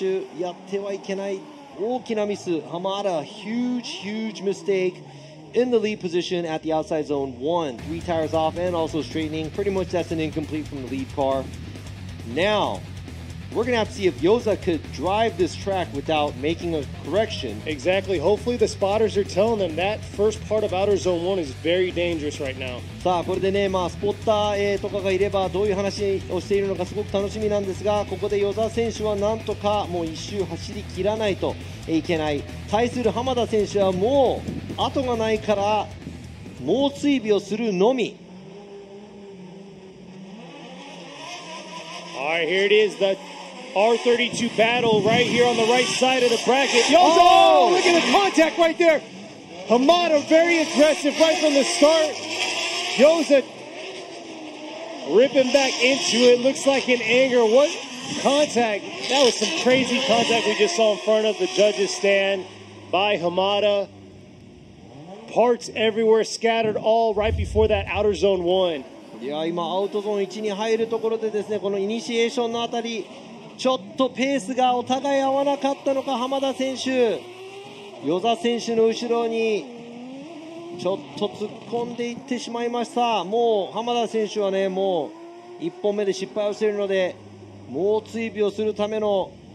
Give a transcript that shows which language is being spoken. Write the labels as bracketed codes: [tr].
[ja] なんと浜田選手もこの路面ちょっと苦戦をしてしまいました。アウトゾーン1外に飛び出しすぎてしまって3脱そして戻り、これは先行ではもう浜田選手やってはいけない大きなミス。 [en] Hamada, huge mistake in the lead position at the outside zone 1, 3 tires off and also straightening. Pretty much that's an incomplete from the lead car. Now we're going to have to see if Yoza could drive this track without making a correction. Exactly. Hopefully the spotters are telling them that first part of Outer Zone 1 is very dangerous right now. [ja] さあ、これでね、まあ、スポッターとかがいればどういう話をしているのかすごく楽しみなんですが、ここでヨザ選手はなんとかもう一周走り切らないといけない。対する浜田選手はもう後がないから猛追尾をするのみ。 [en] All right, here it is, the R32 battle right here on the right side of the bracket. Yoza! Oh, look at the contact right there. Hamada very aggressive right from the start. Yoza ripping back into it. Looks like in anger. What contact? That was some crazy contact we just saw in front of the judges' stand by Hamada. Parts everywhere scattered all right before that outer zone one. [ja] いや今アウトゾーン1に入るところでですねこのイニシエーションのあたりちょっとペースがお互い合わなかったのか浜田選手与座選手の後ろにちょっと突っ込んでいってしまいましたもう浜田選手はねもう1本目で失敗をしているので猛追尾をするための